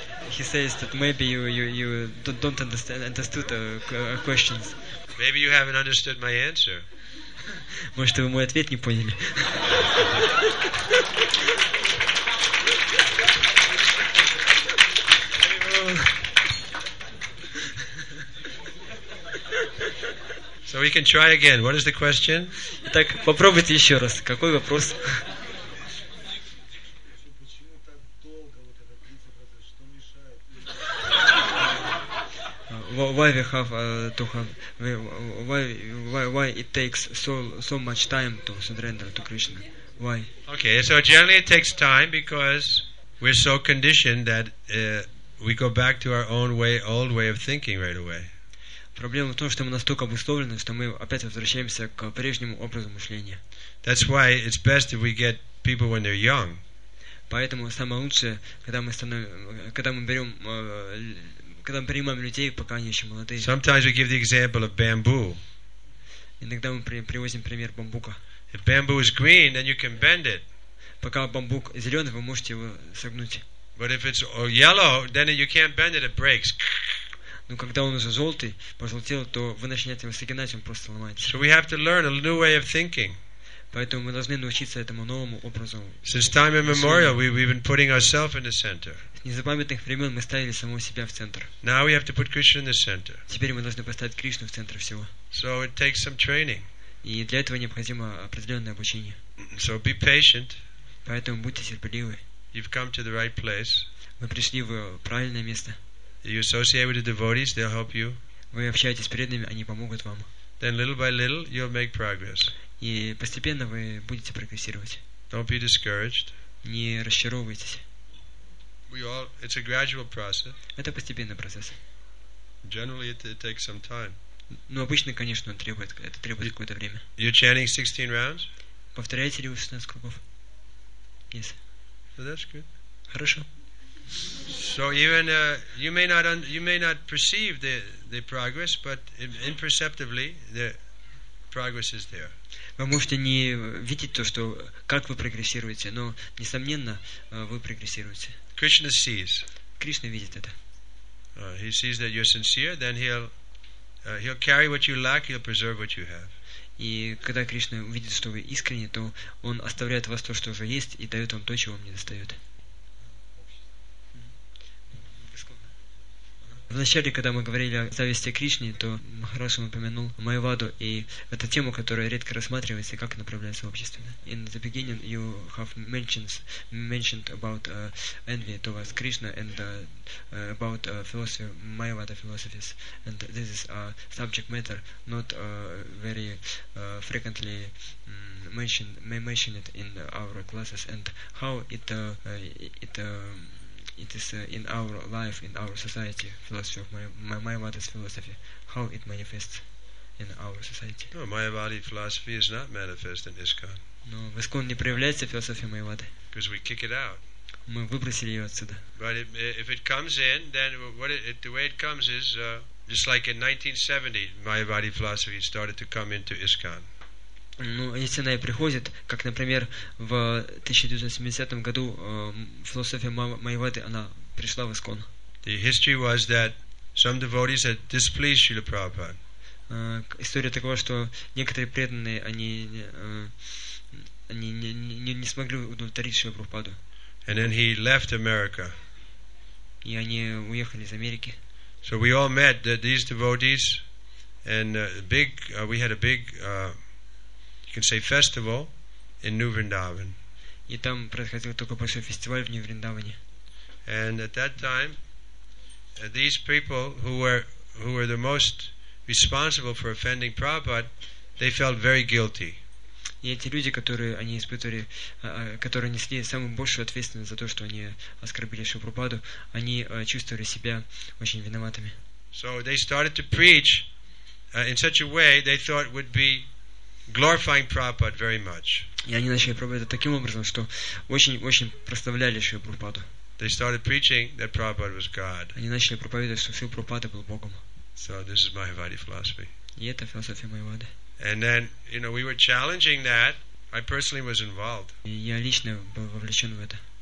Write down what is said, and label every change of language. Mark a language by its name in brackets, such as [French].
[English] He says that maybe you don't understood questions. Maybe you haven't understood my answer. [Russian] Может, вы мой ответ не поняли. [English] So we can try again. What is the question? [Russian] Итак, попробуйте еще раз. Какой вопрос? [English] Why we have to have? Why it takes so much time to surrender to Krishna? Why? Okay, so generally it takes time because we're so conditioned that we go back to our own way, old way of thinking right away. [Russian] Проблема в том, что мы настолько обусловлены, что мы опять возвращаемся к прежнему образу мышления. [English] That's why it's best if we get people when they're young. [Russian] Поэтому самое лучшее, когда мы принимаем людей, пока они еще молодые. [English] Sometimes we give the example of bamboo. [Russian] Иногда мы привозим пример бамбука. [English] If bamboo is green, then you can bend it. [Russian] Пока бамбук зеленый, вы можете его согнуть. [English] But if it's yellow, then you can't bend it; it breaks. [Russian] Но когда он уже желтый, пожелтел, то вы начинаете его согинать, он просто ломается. [English] So we have to learn a new way of thinking. [Russian] Поэтому мы должны научиться этому новому образу. [English] Since time immemorial, we've been putting ourselves in the center. [Russian] С незапамятных времен мы ставили самого себя в центр. [English] Now we have to put Krishna in the center. [Russian] Теперь мы должны поставить Кришну в центр всего. [English] So it takes some training. [Russian] И для этого необходимо определенное обучение. [English] So be patient. [Russian] Поэтому будьте терпеливы. [English] You've come to the right place. [Russian] Вы пришли в правильное место. [English] You associate with the devotees, they'll help you. [Russian] Вы общаетесь с преданными, они помогут вам. [English] Then little by little, you'll make progress. [Russian] И постепенно вы будете прогрессировать. [English] Don't be discouraged. [Russian] Не расчаровывайтесь. [English] It's a gradual process. [Russian] Это постепенный процесс. [English] Generally, it takes some time. [Russian] Но обычно, конечно, это требует какое-то время. [English] You're chanting 16 rounds? [Russian] Повторяете ли вы 16 кругов? [English] Yes. So that's good. [Russian] Хорошо. [English] So even you may not perceive the progress, but imperceptibly the progress is there. [Russian] Вы можете не видеть то, что как вы прогрессируете, но несомненно вы прогрессируете. [English] Krishna sees. [Russian] Кришна видит это. [English] He sees that you're sincere, then he'll carry what you lack, he'll preserve what you have. [Russian] И когда Кришна увидит, что вы искренне, то он оставляет вас то, что уже есть, и дает вам то, чего вам не достает. Вначале, когда мы говорили о зависти Кришне, то Махарадж упомянул Майваду, и это тема, которая редко рассматривается, как направляется общество. [English] In the beginning, you have mentioned about envy towards Krishna and about philosophy, Mayavada philosophies, and this is a subject matter not very frequently mentioned in our classes, and how it is in our life, in our society, philosophy of Mayavada's philosophy, how it manifests in our society. No, Mayavada philosophy is not manifest in ISKCON. [Russian] Но в ISKCON не проявляется философия Майявады. [English] Because we kick it out. [Russian] Мы выбросили ее отсюда. [English] But if it comes in, then the way it comes is just like in 1970, Mayavada philosophy started to come into ISKCON. [Russian] Ну, если она и приходит, как, например, в 1970 году философия Майявады, она пришла в ИСКОН. [English] The history was that some devotees had displeased Srila Prabhupada. [Russian] История такова, что некоторые преданные, они не смогли удовлетворить Шрила Прабхупаду. [English] And then he left America. [Russian] И они уехали из Америки. [English] So we all met these devotees, and we had a big you can say festival in New Vrindavan. [Russian] И там происходил такой большой фестиваль в Нью-Вриндаване. [English] And at that time, these people who were the most responsible for offending Prabhupada, they felt very guilty. [Russian] И эти люди, которые они испытывали, которые несли самую большую ответственность за то, что они оскорбили Шрилу Прабхупаду, они чувствовали себя очень виноватыми. [English] So they started to preach in such a way they thought would be glorifying Prabhupada very much. [Russian] И они начали проповедовать таким образом, что очень-очень прославляли Шрилу Прабхупаду. [English] They started preaching that Prabhupada was God. [Russian] Они начали проповедовать, что Шрила Прабхупада был Богом. [English] So this is Mayavadi philosophy. [Russian] И это философия Майявады. [English] And then, you know, we were challenging that. I personally was involved. [Russian] И я лично был вовлечен в это.